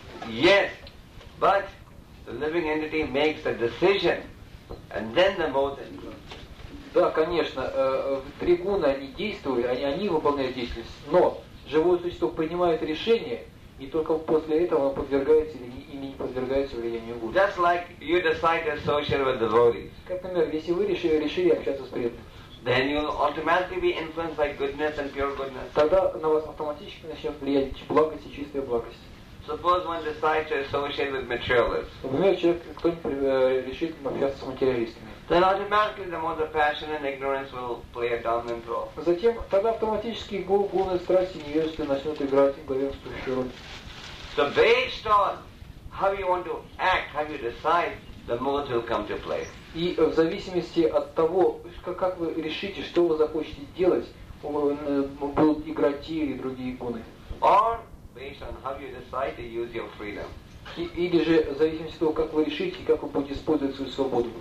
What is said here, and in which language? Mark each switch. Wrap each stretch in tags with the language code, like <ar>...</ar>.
<en>Yes, but the living entity makes the decision, and then the mode is good.</en> <ru>Да, конечно, тригуны, они действуют, они выполняют деятельность, но живое существо принимает решение, и только после этого оно подвергается или не подвергается влиянию гуру.</ru> <en>Just like you decide to associate with devotees.</en> <ru>Как, например, если вы решили общаться с преданными,</ru> <en>then you'll automatically be influenced by goodness and pure goodness.</en> <ru>Тогда на вас автоматически начнет влиять благость и чистая благость.</ru> <en>Suppose one decides to associate with materialists.</en> <ru>Например, человек, кто-нибудь решит общаться с материалистами.</ru> <en>Then automatically the mode of passion and ignorance will play a dominant role.</en> <ru>Затем тогда автоматически гуны страсти и невежества начнут играть главенствующую роль.</ru> <en>So based on how you want to act, how you decide, the mode will come to play.</en> <ru>И в зависимости от того, как вы решите, что вы захочете делать, будут играть те или другие гуны.</ru> <en>Or based on how you decide to use your freedom.</en> <ru>Или же в зависимости от того, как вы решите, как вы будете использовать свою свободу.</ru>